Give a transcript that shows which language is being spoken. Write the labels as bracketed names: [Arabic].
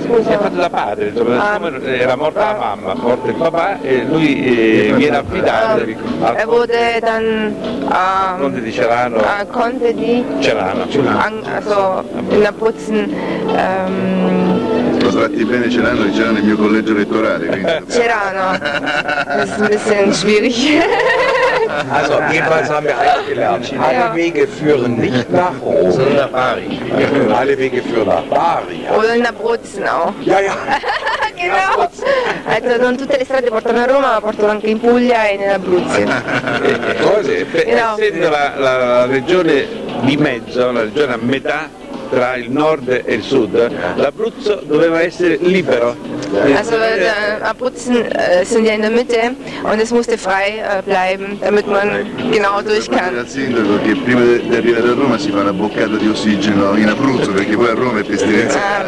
[Italian] Si è fatto da padre, era morta la mamma, morto il papà e lui viene affidato. [German] E wo der dann [Italian] conte di Celano. Conte di Celano. [German] Also in Abruzzen. [Italian] Lo tratti bene Celano, diceva nel mio collegio elettorale. [German] Celano, das ist ein bisschen schwierig. Also jedenfalls haben wir eins gelernt, alle Wege führen nicht nach Rom, sondern nach Bari. Alle Wege führen nach Bari. Oder nach Brutzen auch. Ja, ja. Genau. [Italian] Also non tutte le strade portano a Roma, ma portano anche in Puglia e in Abruzzo. Cose, essendo la regione di mezzo, la regione a metà, tra il nord e il sud, l'Abruzzo doveva essere libero. [German] Also Abruzzen sind ja in der Mitte und es musste frei bleiben, damit man genau durch kann. [Italian] Il sindaco che prima di arrivare a Roma si fa una boccata di ossigeno in Abruzzo, perché poi a Roma è pestilenza.